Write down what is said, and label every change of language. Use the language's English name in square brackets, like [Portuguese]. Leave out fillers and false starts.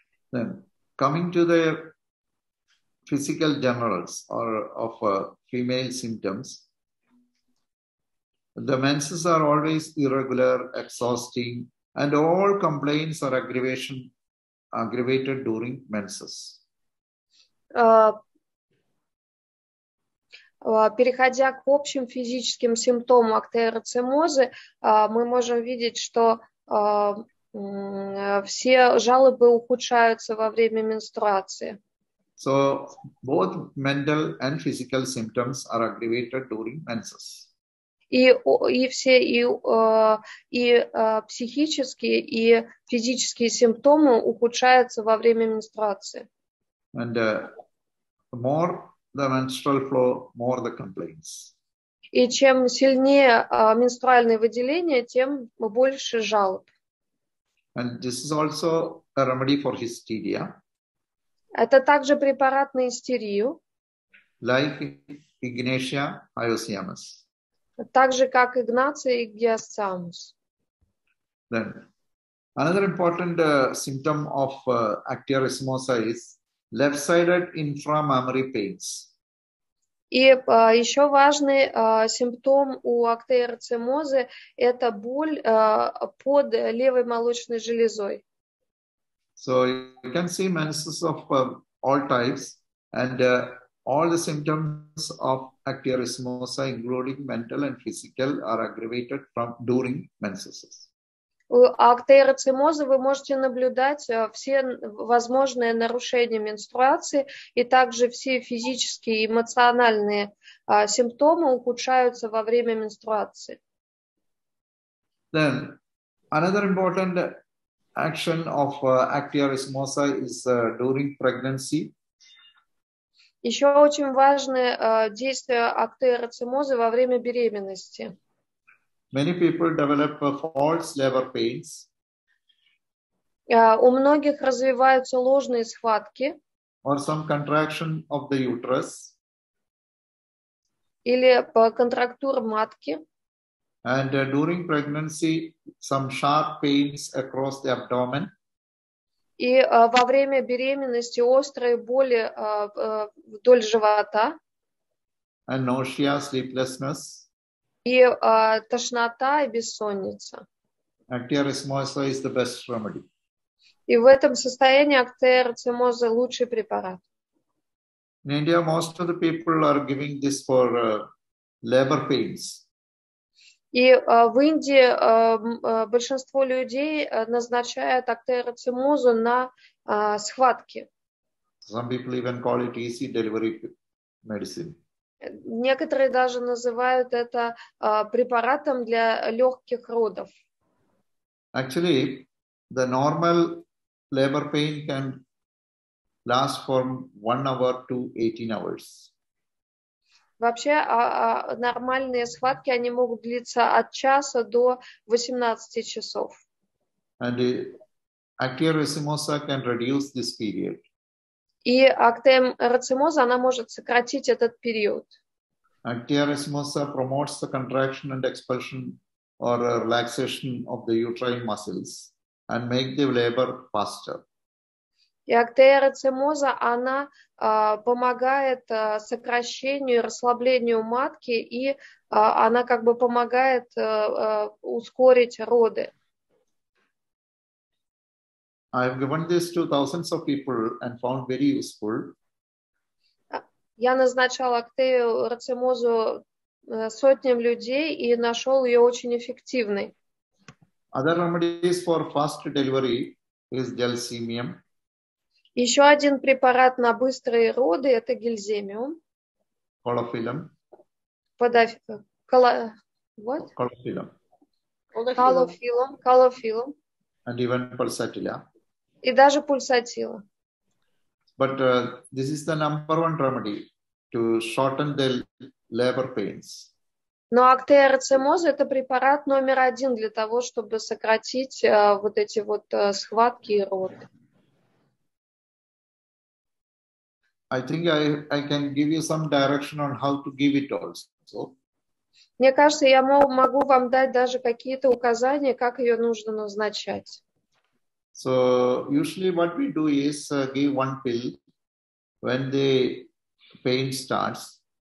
[English] Then, coming to the physical generals or of female symptoms, the menses are always irregular, exhausting, and all complaints are aggravated during menses. [Russian] Переходя к общим физическим симптомам Actia racemosa, мы можем видеть, что все жалобы ухудшаются во время менструации. [English] So both mental and physical symptoms are aggravated during menses. [Russian] Психические и физические симптомы ухудшаются во время менструации. [English] And, the more the menstrual flow, more the complaints. [Russian] И чем сильнее менструальные выделения, тем больше жалоб. [English] And this is also a remedy for hysteria. [Russian] Это также препарат на истерию. [English] Like Ignatia Iosiamus. [Russian] Так же, как Игнация и Гиосциамус. [English] Then, another important symptom of actiorismosa is left-sided inframammary pains. [Russian] И еще важный симптом у актеорцемозы – это боль под левой молочной железой. [English] So you can see menses of all types and all the symptoms of actiorismosa, including mental and physical, are aggravated from during menses. [Russian] У актеорцемозы вы можете наблюдать все возможные нарушения менструации, и также все физические и эмоциональные симптомы ухудшаются во время менструации. [English] Then, another important action of actiorcemosa is during pregnancy. [Russian] Еще очень важное действие актеорцемозы во время беременности. [English] Many people develop false labor pains. [Russian] У многих развиваются ложные схватки. [English] Or some contraction of the uterus. [Russian] Или по контрактуре матки. [English] And during pregnancy, some sharp pains across the abdomen. [Russian] И во время беременности острые боли вдоль живота. [English] And nausea, sleeplessness. [Russian] И тошнота и бессонница. [English] Actiorismosa is the best remedy. [Russian] И в этом состоянии актеорцемоза лучший препарат. [English] In India, most of the people are giving this for labor pains. [Russian] И в Индии большинство людей назначают актеорцемозу на схватки. [English] Some people even call it easy delivery medicine. [Russian] Некоторые даже называют это препаратом для легких родов. [English] Actually, the normal labor pain can last for 1 hour to 18 hours. [Russian] Вообще, нормальные схватки, они могут длиться от часа до 18 часов. [English] And actiorcemosa can reduce this period. [Russian] И актеорцемоза, она может сократить этот период. [English] Actiorcemosa promotes the contraction and expulsion or relaxation of the uterine muscles and make the labor faster. [Russian] И актеорцемоза, она помогает сокращению и расслаблению матки, и она как бы помогает ускорить роды. [English] I've given this to thousands of people and found very useful. [Russian] Я назначал актеорцемозу сотням людей и нашел ее очень эффективной. [English] Other remedies for fast delivery is gelsemium. [Russian] Еще один препарат на быстрые роды – это гельземиум. [English] Колофилум. [Russian] Колофилум. Колофилум. Колофилум. [English] And even pulsatilla. [Russian] И даже пульсатила. [English] But this is the number one remedy to shorten the labor pains. [Russian] Но актеорцемоза – это препарат номер один для того, чтобы сократить вот эти вот схватки и роды. [English] I think I can give you some direction on how to give it also. [Russian] Мне кажется, я могу вам дать даже какие-то указания, как ее нужно назначать. [English] So usually what we do is give one pill when the pain starts.